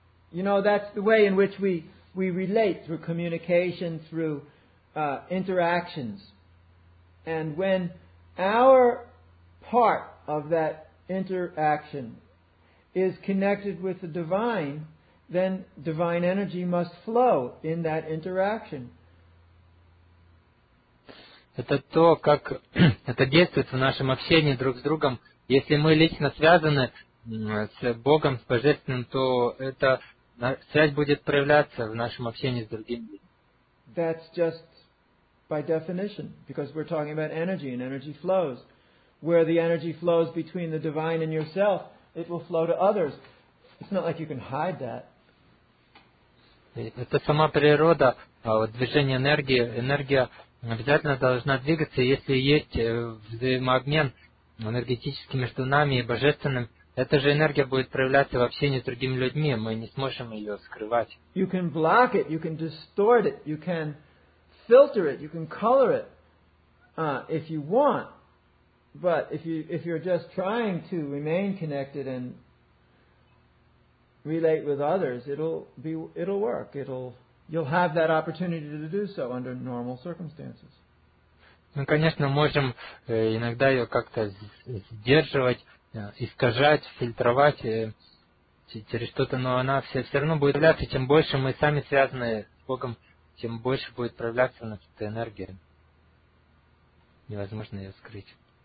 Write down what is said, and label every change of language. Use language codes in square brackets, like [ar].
[en] You know, that's the way in which we relate through communication, through interactions. And when our part of that interaction is connected with the divine, then divine energy must flow in that interaction. [ru] Это то, как это действует в нашем общении друг с другом. Если мы лично связаны с Богом, с Божественным, то это связь будет проявляться в нашем общении с другими. [en] That's just by definition, because we're talking about energy, and energy flows. Where the energy flows between the divine and yourself, it will flow to others. It's not like you can hide that. [ru] Это сама природа движения энергии. Энергия обязательно должна двигаться. Если есть взаимообмен энергетический между нами и Божественным, эта же энергия будет проявляться в общении с другими людьми, мы не сможем ее скрывать. [en] You can block it, you can distort it, you can filter it, you can color it if you want. But if you're just trying to remain connected and relate with others, it'll work. You'll have that opportunity to do so under normal circumstances. [ru] Мы, конечно, можем иногда ее как-то сдерживать, искажать, фильтровать через что-то, но она все равно будет проявляться, чем больше мы сами связаны с Богом, тем больше будет проявляться эта энергия. Невозможно ее скрыть.